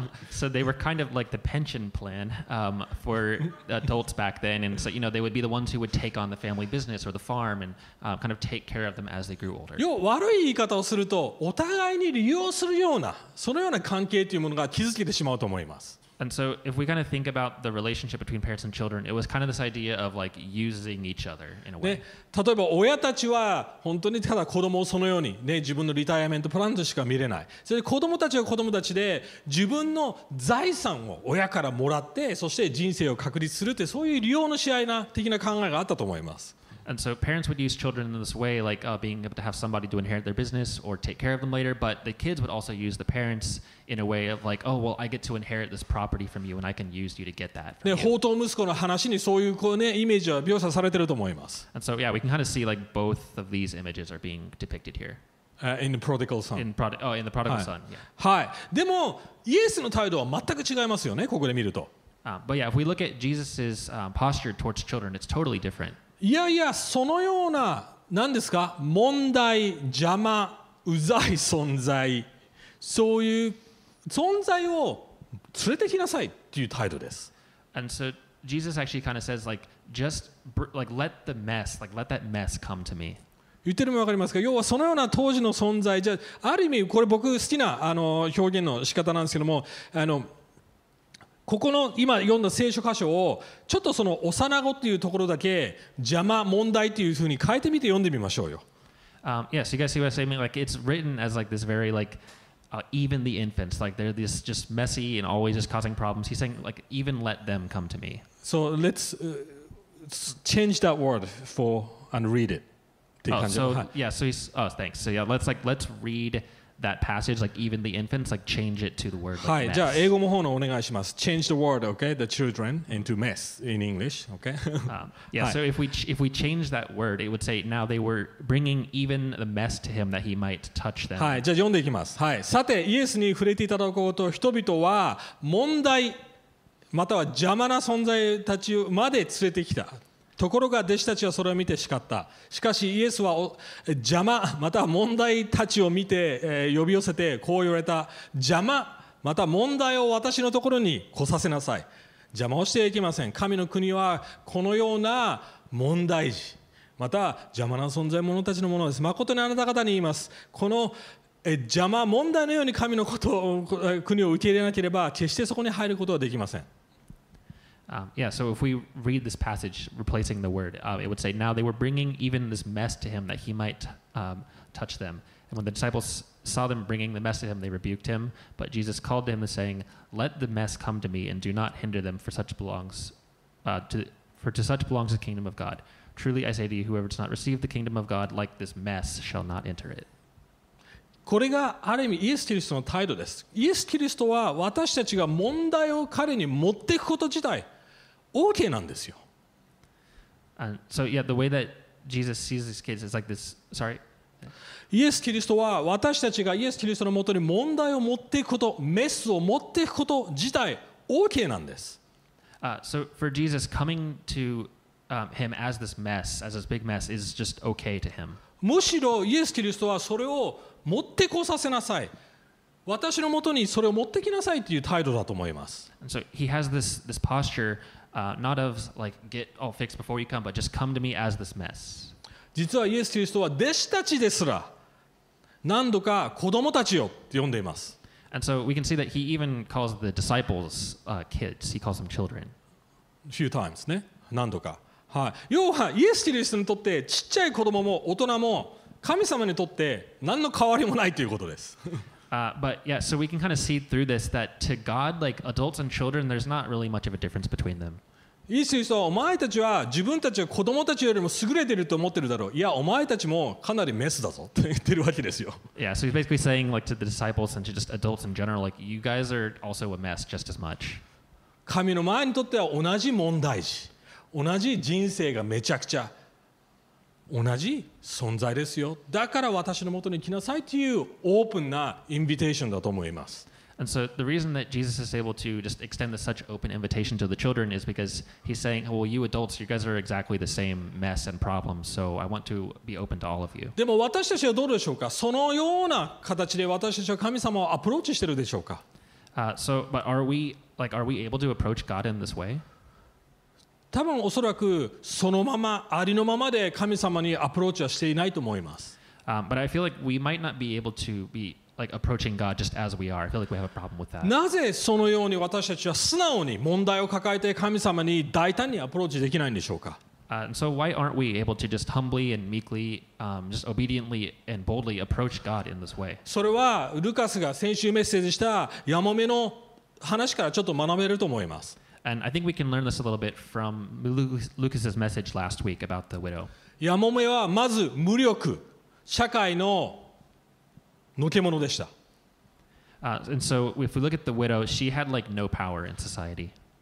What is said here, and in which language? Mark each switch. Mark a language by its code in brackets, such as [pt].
[en] So they were kind of like the pension plan for adults back then, and so you know they would be the ones who would take on the family business or the farm and kind of take care of them as they grew older. [ja] 悪い言い方をすると、お互いに利用するようなそのような関係というものが築けてしまうと思います。 [en] And so if we kind of think about the relationship between parents and children, it was kind of this idea of like using each other in a way. [ja] 例えば親たちは本当にただ子供をそのように、ね、自分のリタイアメントプランとしか見れない。それで子供たちは子供たちで自分の財産を親からもらって、そして人生を確立するってそういう利用の試合な的な考えがあったと思います。 [en] And so parents would use children in this way, like being able to have somebody to inherit their business or take care of them later. But the kids would also use the parents in a way of like, oh, well, I get to inherit this property from you and I can use you to get that. [ja] ね、放蕩息子の話にそういう、こうね、イメージは描写されてると思います。 [en] And so, yeah, we can kind of see like both of these images are being depicted here. In the prodigal son. In the prodigal son, yeah. [ja] はい。でも、イエスの態度は全く違いますよね、ここで見ると。 [en] But yeah, if we look at Jesus's posture towards children, it's totally different. [ja] いやいや、そのような、何ですか、問題、邪魔、うざい存在、そういう存在を連れてきなさいという態度です。 [en] And so Jesus actually kind of says, like, just like, let the mess, like, let that mess come to me. [ja] 言ってるのも分かりますか、要はそのような当時の存在、じゃあ、ある意味、これ僕好きな表現の仕方なんですけども、ここの今読んだ聖書箇所をちょっとその幼子っていうところだけ邪魔問題っていう風に変えてみて読んでみましょうよ。 [en] Yeah, so you guys see what I'm saying? Like it's written as like this very like even the infants, like they're this just messy and always just causing problems. He's saying like even let them come to me. So let's change that word for and read it. Oh, so yeah, so he's, oh, thanks. So yeah, let's read that passage, like even the infants, like change it to the word mess. [ja] じゃあ英語の方のお願いします。 [en] Change the word, okay, the children into mess in English, okay? Yeah, so if we change that word, it would say now they were bringing even the mess to him that he might touch them. [ja] はい、じゃあ読んでいきます。はい、さてイエスに触れていただこうと人々は問題または邪魔な存在たちまで連れてきた。ところが弟子たちはそれを見て叱った。しかしイエスは邪魔または問題たちを見て呼び寄せてこう言われた。邪魔また問題を私のところに来させなさい。邪魔をしてはいけません。神の国はこのような問題児また邪魔な存在者たちのものです。誠にあなた方に言います。この邪魔問題のように神のこと国を受け入れなければ決してそこに入ることはできません。 [en] Yeah, so if we read this passage replacing the word, it would say, now they were bringing even this mess to him that he might touch them. And when the disciples saw them bringing the mess to him, they rebuked him. But Jesus called to him and saying, let the mess come to me and do not hinder them for to such belongs the kingdom of God. Truly I say to you, whoever does not receive the kingdom of God like this mess shall not enter it. [ja] これがある意味イエス・キリストの態度です。イエス・キリストは私たちが問題を彼に持っていくこと自体 OK なんですよ。 [en] So yeah, the way that Jesus sees these kids is like this. Sorry. [ja] イエス・キリストは私たちがイエス・キリストのもとに問題を持っていくこと、メスを持っていくこと自体 OK なんです。 [en] So for Jesus coming to him as this mess, as this big mess, is just OK to him. [ja] むしろイエス・キリストはそれを持ってこさせなさい。私のもとにそれを持ってきなさいという態度だと思います。 [en] And so he has this posture, not of like get all fixed before you come, but just come to me as this mess. [ja] 実はイエス・キリストは弟子たちですら何度か子供たちよって呼んでいます。 [en] And so we can see that he even calls the disciples kids. He calls them children. A few times, [ja] ね。何度か。はい。要はイエス・キリストにとってちっちゃい子供も大人も神様にとって何の変わりもないということです。 [en] But yeah, so we can kind of see through this that to God, like adults and children, there's not really much of a difference between them. [ja] イエス・キリストはお前たちは自分たちは子供たちよりも優れていると思ってるだろう。いや、お前たちもかなりメスだぞって言ってるわけですよ。 [en] Yeah, so he's basically saying like to the disciples and to just adults in general, like you guys are also a mess just as much. [ja] 神の前にとっては同じ問題児、同じ人生がめちゃくちゃ。同じ存在ですよ。だから私のもとに来なさいというオープンなインビテーションだと思います。 [en] And so the reason that Jesus is able to just extend this such open invitation to the children is because he's saying, well, you adults, you guys are exactly the same mess and problem, so I want to be open to all of you. [ja] でも私たちはどうでしょうか。そのような形で私たちは神様をアプローチしているでしょうか。 [en] So, but are we able to approach God in this way? [ja] 多分おそらくそのままありのままで神様にアプローチはしていないと思います。 [en] But I feel like we might not be able to be like approaching God just as we are. I feel like we have a problem with that. [ja] なぜそのように私たちは素直に問題を抱えて神様に大胆にアプローチできないんでしょうか。 [en] So why aren't we able to just humbly and meekly, just obediently and boldly approach God in this way? [ja] それはルカスが先週メッセージしたヤモメの話からちょっと学べると思います。 [en] And I think we can learn this a little bit from Lucas's message last week about the widow. [ja] ヤモメはまず無力、社会ののけものでした。 [en] And so if we look at the widow, she had like no power in society.